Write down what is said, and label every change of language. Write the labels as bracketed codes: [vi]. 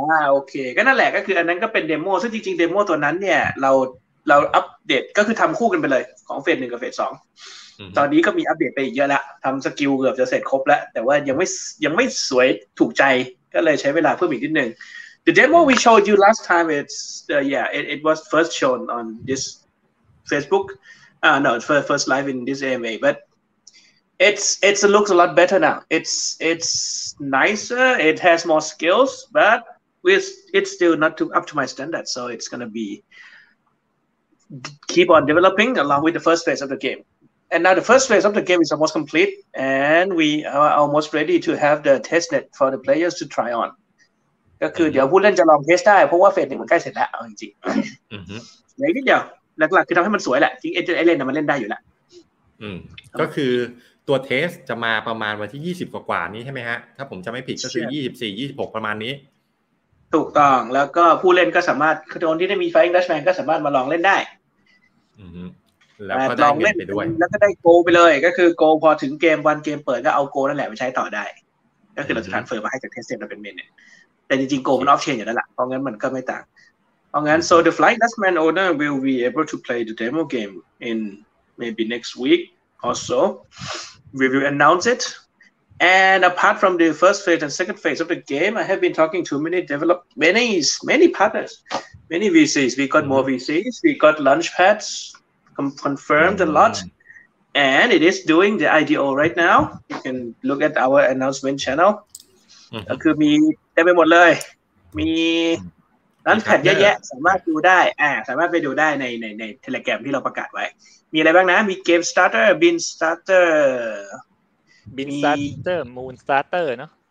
[th] โอเคก็นั่นแหละก็คืออันนั้นก็เป็นเดโมซึ่งจริงๆเดโมตัวนั้นเนี่ยเราอัปเดตก็คือทำคู่กันไปเลยของเฟส1กับเฟส2ตอนนี้ก็มีอัปเดตไปอีกเยอะละทำสกิลเกือบจะเสร็จครบแล้วแต่ว่ายังไม่สวยถูกใจก็เลยใช้เวลาเพิ่มอีกนิดนึง [en] The demo we showed you last time it was first shown on this Facebook no first live in this AMA butIt looks a lot better now. It's nicer. It has more skills, but it's still not too up to my standard. So it's gonna be keep on developing along with the first phase of the game. And now the first phase of the game is almost complete, and we are almost ready to have the testnet for the players to try on. [th] ก็คือเดี๋ยวผู้เล่นจะลองเทสได้เพราะว่าเฟสหนึ่งมันใกล้เสร็จแล้วเอาจริงๆในนิดเดียวหลักๆคือทำให้มันสวยแหละจริงไอเล่นมันเล่นได้อยู่แล้ว ก็คือตัวเทสจะมาประมาณวันที่20กว่าๆนี้ใช่ไหมฮะถ้าผมจำไม่ผิดก็คือ24 26ประมาณนี้ถูกต้องแล้วก็ผู้เล่นก็สามารถคนที่ได้มี Flying Dutchman ก็สามารถมาลองเล่นได้แล้วก็ได้เงินไปด้วย แล้วก็ได้โกไปเลยก็คือโกพอถึงเกมวันเกมเปิดก็เอาโกนั่นแหละไปใช้ต่อได้ อ ก็คือเราจะ transfer มาให้จาก test chain มาเป็น main เนี่ยแต่จริงๆ go มัน off chain อยู่แล้วล่ะเพราะงั้นมันก็ไม่ต่างเพราะงั้น [en] so the flight last man owner will be able to play the demo game in maybe next week or so we will announce itAnd apart from the first phase and second phase of the game, I have been talking to many developers, many partners, many VCs. We got more VCs. We got launchpads confirmed a lot. And it is doing the IDO right now. You can look at our announcement channel. [th] ก็คือมีได้ไปหมดเลยมี launchpad เยอะๆสามารถดูได้สามารถไปดูได้ในTelegramที่เราประกาศไว้มีอะไรบ้างนะมี Game Starter, Bean Starter บินสตาร์เตอร์มูนสตาร์เตอร์เนาะ